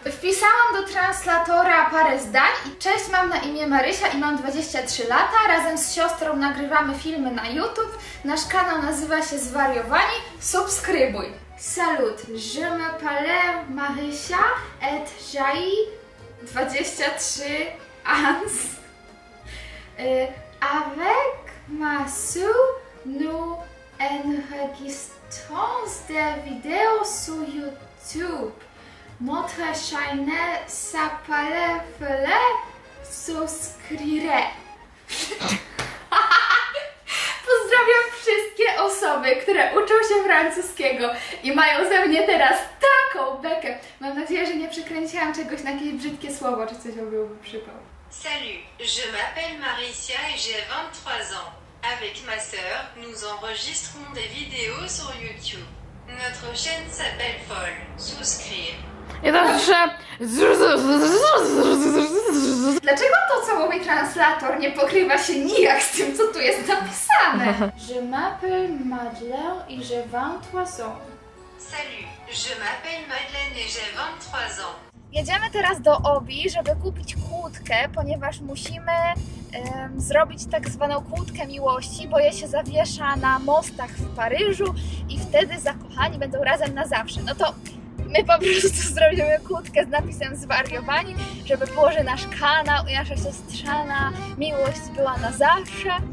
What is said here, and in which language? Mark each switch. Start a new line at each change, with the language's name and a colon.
Polish: Wpisałam do translatora parę zdań. Cześć, mam na imię Marysia i mam 23 lata. Razem z siostrą nagrywamy filmy na YouTube. Nasz kanał nazywa się Zwariowani. Subskrybuj. Salut.
French: Je m'appelle Marysia et j'ai 23 ans. Avec ma soeur nous enregistrons des vidéos sur YouTube. Notre chaîne s'appelle Fele Souscrire.
Polish: Pozdrawiam wszystkie osoby, które uczą się francuskiego i mają ze mnie teraz taką bekę. Mam nadzieję, że nie przekręciłam czegoś na jakieś brzydkie słowo, czy coś byłoby przypał.
French: Salut, je m'appelle Marysia i j'ai 23 ans. Avec ma sœur, nous enregistrons des vidéos sur YouTube. Notre chaîne s'appelle Fol. Souscrire. Et donc, je...
Polish: Dlaczego to, co mówi translator, nie pokrywa się nijak z tym, co tu jest napisane?
French: Je m'appelle Madeleine et j'ai 23 ans. Salut, je m'appelle Madeleine et j'ai 23 ans.
Polish: Jedziemy teraz do Obi, żeby kupić kłódkę, ponieważ musimy zrobić tak zwaną kłódkę miłości, bo je się zawiesza na mostach w Paryżu i wtedy zakochani będą razem na zawsze. No to my po prostu zrobimy kłódkę z napisem Zwariowani, żeby było, że nasz kanał i nasza siostrzana miłość była na zawsze.